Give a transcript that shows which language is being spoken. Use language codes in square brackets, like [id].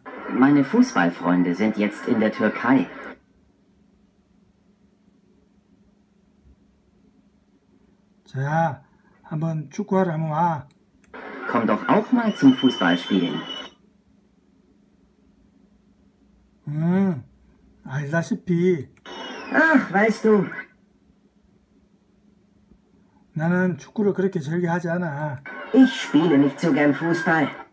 [de] Meine Fußballfreunde sind jetzt in der Türkei. [ko] 자, 한번 축구하러 한번 와. [de] Komm doch auch mal zum Fußballspielen. [ko] 알다시피. [de] Ach, weißt du. [ko] 나는 축구를 그렇게 즐겨 하지 않아. [de] Ich spiele nicht so gern Fußball.